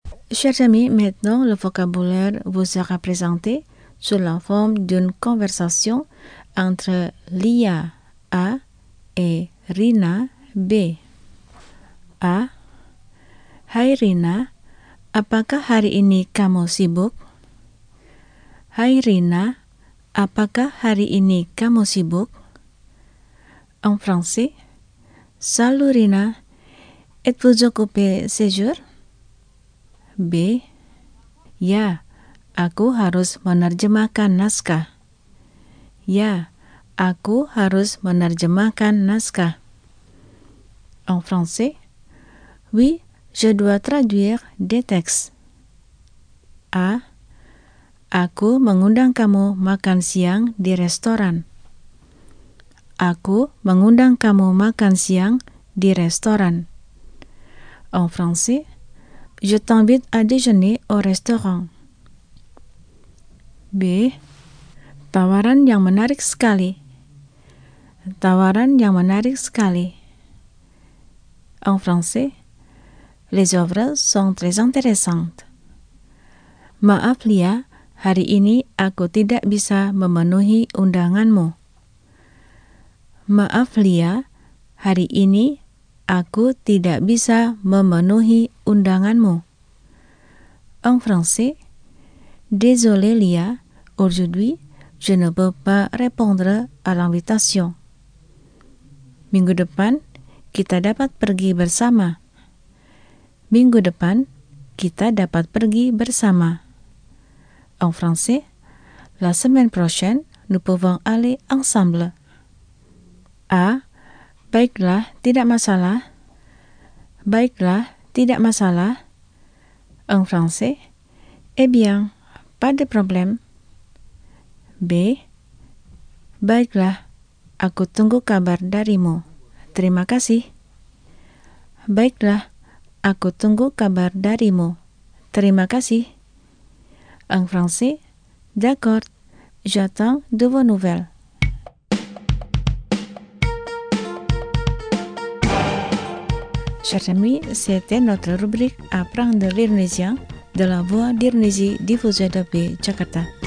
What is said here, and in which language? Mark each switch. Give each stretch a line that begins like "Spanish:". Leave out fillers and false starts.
French: Chers amis, maintenant le vocabulaire vous sera présenté sous la forme d'une conversation entre Lia A et Rina B. A.
Indonesian: Hai Rina, apakah hari ini kamu sibuk? Hai Rina, apakah hari ini kamu sibuk?
French: En français, salut Rina, êtes-vous occupé ce jour? B.
Indonesian: Ya, aku harus menerjemahkan naskah. Ya, aku harus menerjemahkan naskah.
French: En français, oui, je dois traduire des textes. A.
Indonesian: Aku mengundang kamu makan siang di restoran. Aku mengundang kamu makan siang di restoran.
French: En français, je t'invite à déjeuner au restaurant. B.
Indonesian: Tawaran yang menarik sekali. Tawaran yang menarik sekali.
French: En français, les offres sont très intéressantes.
Indonesian: Maaf, Lia, hari ini aku tidak bisa memenuhi undanganmu. Maaf, Lia, hari ini aku tidak bisa memenuhi undanganmu.
French: En français, désolé, Lia, aujourd'hui, je ne peux pas répondre à l'invitation.
Indonesian: Minggu depan, kita dapat pergi bersama. Minggu depan, kita dapat pergi bersama.
French: En français, la semaine prochaine, nous pouvons aller ensemble. A.
Indonesian: Baiklah, tidak masalah. Baiklah, tidak masalah.
French: En français, eh bien, pas de problème. B.
Indonesian: Baiklah, aku tunggu kabar darimu. Terima kasih. Baiklah, aku tunggu kabar darimu. Terima kasih.
French: En français, d'accord, j'attends de vos nouvelles. Chers amis, c'était notre rubrique Apprendre l'Irnésien de la Voix d'Irnésie diffusée depuis Jakarta.